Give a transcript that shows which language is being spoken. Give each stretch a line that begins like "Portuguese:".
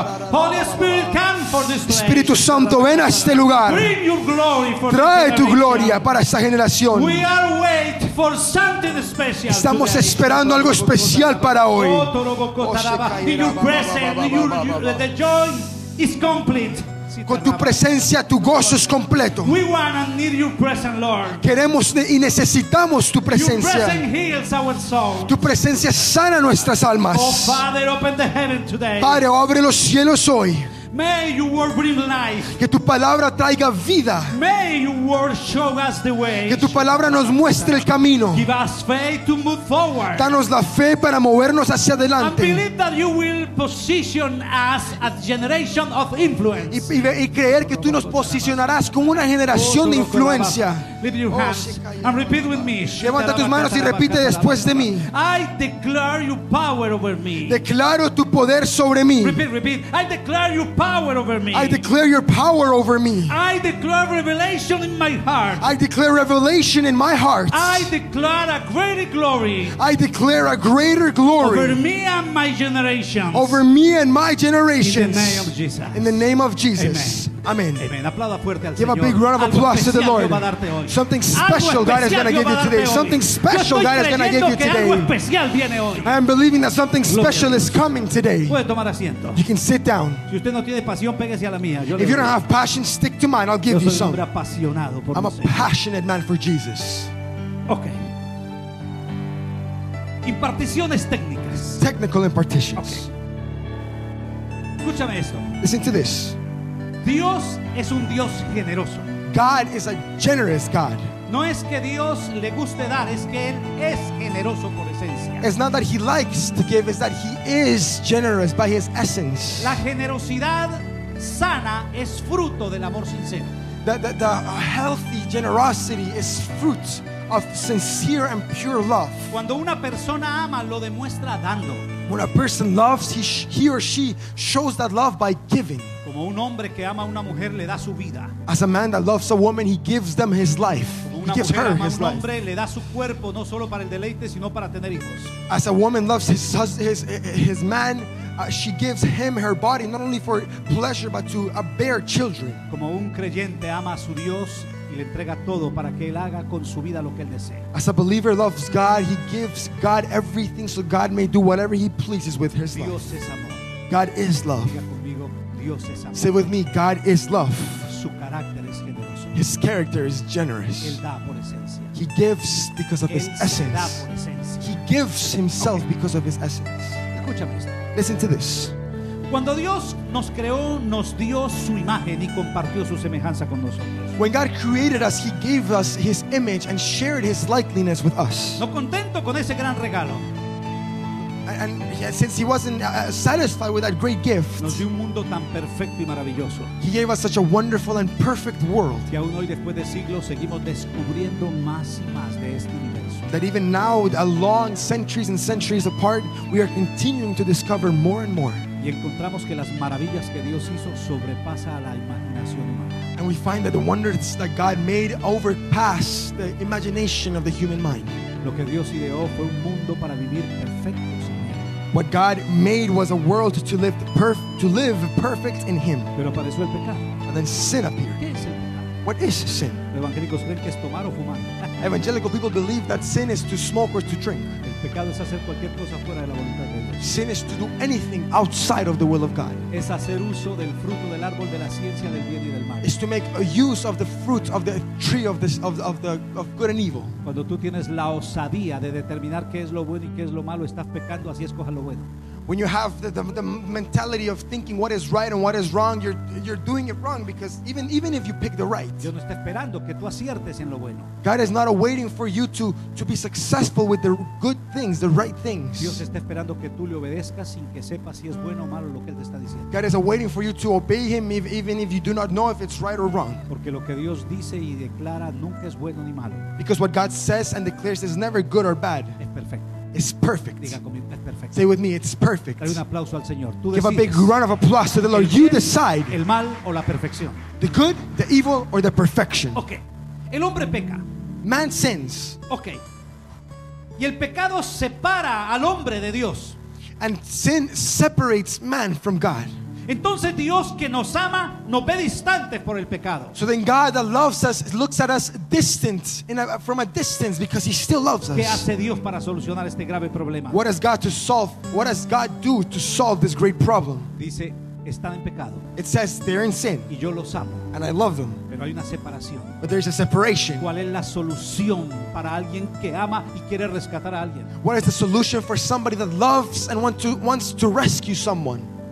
English: Holy Spirit, come for this place.
Spanish: Espíritu Santo, ven a este lugar.
English: Bring your glory for
Spanish: trae tu gloria para esta generación.
English: We are wait for something special.
Spanish: Estamos
English: today.
Spanish: Esperando algo especial para hoy.
English: In your presence, the joy is complete.
Spanish: con tu presencia tu gozo es completo.
English: We want and need your presence, Lord.
Spanish: Queremos y necesitamos tu presencia.
English: Your presence heals our soul.
Spanish: Tu presencia sana nuestras almas.
English: Oh, Father, open the heaven today.
Spanish: Padre, abre los cielos hoy.
English: May your word bring life.
Spanish: Que tu palabra traiga vida.
English: May your word show us the way.
Spanish: Que tu palabra nos muestre el camino.
English: Give us faith to move forward.
Spanish: Danos la fe para movernos hacia adelante.
English: And believe that you will position us a generation of influence.
Spanish: Y creer que tú nos posicionarás como una generación de influencia.
English: Lift your hands and repeat with me.
Spanish: Levanta tus manos y repite después de mí.
English: I declare your power over me.
Spanish: Declaro tu poder sobre mí.
English: Repeat. I declare your power over me. I declare your power over me. I declare revelation in my heart. I declare revelation in my heart. I declare a greater glory. I declare a greater glory over me and my generations. Over me and my generations. In the name of Jesus. In the name of Jesus. Amen. Amen.
Spanish: Aplauda fuerte al Señor.
English: Give a big round of applause to the Lord. Something special God is going to give you today. Something special God is going to give you today. I am believing that something special is coming today. You can sit down. If you don't have passion, stick to mine. I'll give you some. I'm a passionate man for Jesus. Okay.
Spanish: Imparticiones técnicas.
English: Technical impartitions.
Spanish: Escúchame esto.
English: Listen to this.
Spanish: Dios es un Dios generoso.
English: God is a generous God.
Spanish: No es que Dios le guste dar, es que él es generoso por esencia.
English: It's not that he likes to give, it's that he is generous by his essence.
Spanish: La generosidad sana es fruto del amor sincero.
English: The healthy generosity is fruit of sincere and pure love.
Spanish: Cuando una persona ama, lo demuestra dando.
English: When a person loves, he or she shows that love by giving.
Spanish: Como un hombre que ama a una mujer le da su vida.
English: As a man that loves a woman, he gives them his life.
Spanish: Como una
English: he gives
Spanish: mujer
English: her
Spanish: ama
English: his
Spanish: un hombre
English: life.
Spanish: Le da su cuerpo no solo para el deleite sino para tener hijos.
English: As a woman loves his man, she gives him her body not only for pleasure but to bear children.
Spanish: Como un creyente ama a su Dios y le entrega todo para que él haga con su vida lo que él desee.
English: As a believer loves God, he gives God everything so God may do whatever he pleases with his
Spanish: Dios
English: life.
Spanish: Es amor.
English: God is love.
Spanish: Dios es amor.
English: Say with me, God is love.
Spanish: Su carácter es generoso.
English: His character is generous.
Spanish: Él da por esencia.
English: He gives because of
Spanish: él
English: his essence.
Spanish: Da por esencia.
English: He gives himself okay. Because of his essence.
Spanish: Escúchame esto.
English: Listen to this.
Spanish: Cuando Dios nos creó, nos dio su imagen y compartió su semejanza con nosotros.
English: When God created us, he gave us his image and shared his likeness with us.
Spanish: No contento con ese gran regalo.
English: And since he wasn't satisfied with that great gift,
Spanish: nos dio un mundo tan perfecto y maravilloso.
English: He gave us such a wonderful and perfect world.
Spanish: Y aún hoy, después de siglos, seguimos descubriendo más y más de este universo.
English: That even now, along centuries and centuries apart, we are continuing to discover more and more.
Spanish: Y encontramos que las maravillas que Dios hizo sobrepasa a la imaginación humana.
English: And we find that the wonders that God made overpass the imagination of the human mind.
Spanish: Lo que Dios ideó fue un mundo para vivir perfecto sin él.
English: What God made was a world to live perfect in him.
Spanish: Pero apareció el pecado.
English: And then sin appeared.
Spanish: ¿Qué es el pecado?
English: What is sin?
Spanish: Los evangélicos creen que es tomar o fumar.
English: Evangelical people believe that sin is to smoke or to drink.
Spanish: El pecado es hacer cualquier cosa fuera de la voluntad de Dios.
English: Sin is to do anything outside of the will of God.
Spanish: Es hacer uso del fruto del árbol de la ciencia del bien y del mal.
English: Is to make a use of the fruit of the tree of good and evil.
Spanish: Cuando tú tienes la osadía de determinar qué es lo bueno y qué es lo malo, estás pecando, así escoja lo bueno.
English: When you have the mentality of thinking what is right and what is wrong, you're doing it wrong because even if you pick the right,
Spanish: Dios no está esperando que tú aciertes en lo bueno.
English: God is not waiting for you to be successful with the good things, the right things.
Spanish: Dios está esperando que tú le obedezcas sin que sepas si es bueno o malo lo que él te está diciendo.
English: God is waiting for you to obey him even if you do not know if it's right or wrong.
Spanish: Porque lo que Dios dice y declara nunca es bueno ni malo.
English: Because what God says and declares is never good or bad.
Spanish: Es perfecto.
English: It's perfect.
Spanish: Diga conmigo, es perfecto.
English: Say with me, it's perfect.
Spanish: Dale un aplauso al Señor. Tú
English: give decides. A big round of applause to the Lord.
Spanish: El
English: you decide.
Spanish: El mal o la perfección.
English: The good, the evil, or the perfection.
Spanish: Okay. El hombre peca.
English: Man sins. Okay.
Spanish: Y el pecado separa al hombre de Dios.
English: And sin separates man from God.
Spanish: Entonces Dios que nos ama nos ve distantes por el pecado.
English: So then God that loves us looks at us distant from a distance because he still loves us.
Spanish: ¿Qué hace Dios para solucionar este grave problema?
English: What does God do to solve this great problem?
Spanish: Dice están en pecado.
English: It says they're in sin.
Spanish: Y yo los amo.
English: And I love them.
Spanish: Pero hay una separación.
English: But there's a separation.
Spanish: ¿Cuál es la solución para alguien que ama y quiere rescatar a alguien?
English: What is the solution for somebody that loves and wants to rescue someone?